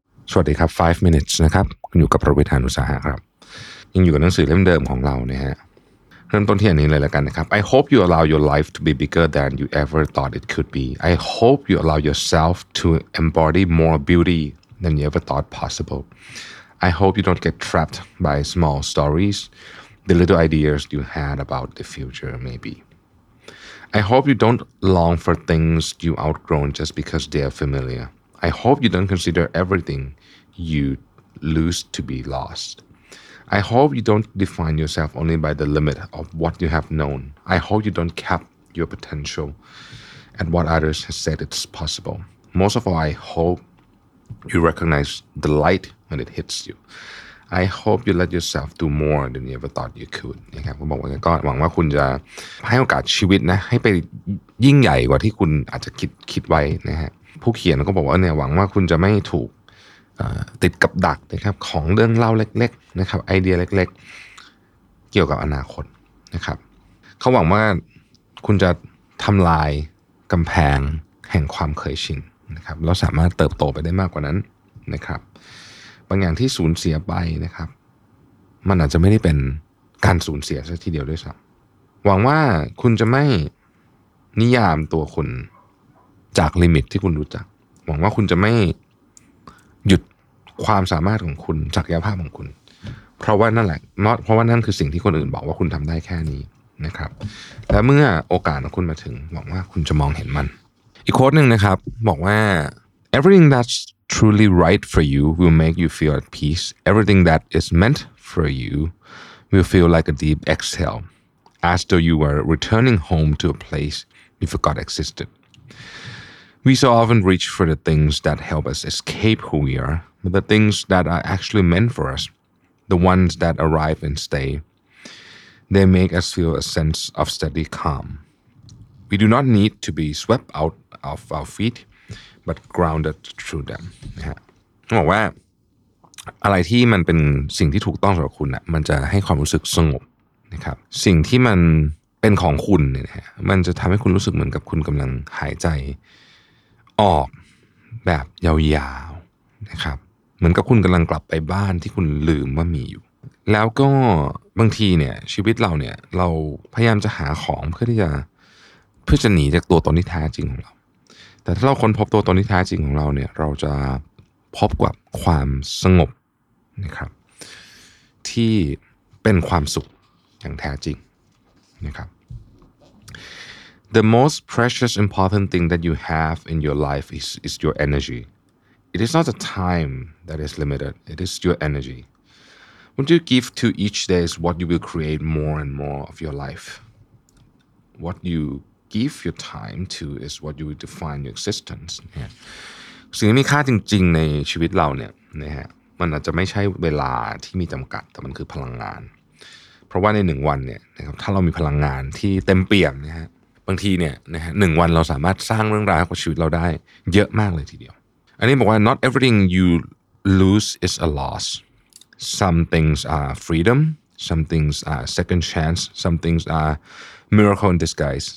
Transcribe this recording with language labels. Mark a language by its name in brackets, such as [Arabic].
[Thai] สวัสดีครับ5 minutes นะครับอยู่กับประวิทย์ หาญอุตสาหะครับยังอยู่กับหนังสือเล่มเดิมของเราเนี่ยฮะเริ่มต้นที่อันนี้เลยแล้วกันนะครับ [English] I hope you allow your life to be bigger than you ever thought it could be. I hope you allow yourself to embody more beauty than you ever thought possible. I hope you don't get trapped by small stories, the little ideas you had about the future, maybe. I hope you don't long for things you outgrown just because they are familiar. I hope you don't consider everything you lose to be lost. I hope you don't define yourself only by the limit of what you have known. I hope you don't cap your potential at what others have said it's possible. Most of all, I hope you recognize the light. When it hits you, I hope you let yourself do more than you ever thought you could. [Thai] นะครับผมบอกว่าก็หวังว่าคุณจะให้โอกาสชีวิตนะให้ไปยิ่งใหญ่กว่าที่คุณอาจจะคิดไว้นะฮะผู้เขียนก็บอกว่าเนี่ยหวังว่าคุณจะไม่ถูก ติดกับดักนะครับของเรื่องเล่าเล็กๆนะครับไอเดียเล็กๆเกี่ยวกับอนาคตนะครับเขาหวังว่าคุณจะทำลายกำแพงแห่งความเคยชินนะครับแล้วสามารถเติบโตไปได้มากกว่านั้นนะครับบางอย่างที่สูญเสียไปนะครับมันอาจจะไม่ได้เป็นการสูญเสียสักทีเดียวด้วยซ้ำหวังว่าคุณจะไม่นิยามตัวคุณจากลิมิตที่คุณรู้จักหวังว่าคุณจะไม่ หยุดความสามารถของคุณศักยภาพของคุณเพราะว่านั่นแหละเพราะว่านั่นคือสิ่งที่คนอื่นบอกว่าคุณทำได้แค่นี้นะครับและเมื่อโอกาสของคุณมาถึงหวังว่าคุณจะมองเห็นมันอีกโค้ดนึงนะครับบอกว่า [English] everything thatTruly right for you will make you feel at peace. Everything that is meant for you will feel like a deep exhale, as though you were returning home to a place you forgot existed. We so often reach for the things that help us escape who we are, but the things that are actually meant for us, the ones that arrive and stay, they make us feel a sense of steady calm. We do not need to be swept out of our feet. but grounded through them [Thai] นะฮะบอกว่าอะไรที่มันเป็นสิ่งที่ถูกต้องสำหรับคุณน่ะมันจะให้ความรู้สึกสงบนะครับสิ่งที่มันเป็นของคุณเนี่ยนะฮะมันจะทำให้คุณรู้สึกเหมือนกับคุณกำลังหายใจ ออกแบบยาวๆนะครับเหมือนกับคุณกำลังกลับไปบ้านที่คุณลืมว่ามีอยู่แล้วก็บางทีเนี่ยชีวิตเราเนี่ยเราพยายามจะหาของเพื่ อจะหนีจากตัวตนที่แท้จริงของเราแต่ถ้าเราค้นพบตัวตนที่แท้จริงของเราเนี่ยเราจะพบกับความสงบนะครับที่เป็นความสุขอย่างแท้จริงนะครับ [English] The most precious important thing that you have in your life is your energy. It is not the time that is limited. It is your energy. What you give to each day is what you will create more and more of your life. What yougive your time to is what you will define your existence [Thai] เนี่ยสิ่งที่มีค่าจริงๆในชีวิตเราเนี่ยนะฮะมันอาจจะไม่ใช่เวลาที่มีจำกัดแต่มันคือพลังงาน เพราะว่าใน1วันเนี่ยนะครับถ้าเรามีพลังงานที่เต็มเปี่ยมนะฮะบางทีเนี่ยนะฮะ1วันเราสามารถสร้างเรื่องราวของชีวิตเราได้เยอะมากเลยทีเดียวอันนี้บอกว่า [English] not everything you lose is a loss some things are freedom some things are second chance some things areMiracle in disguise.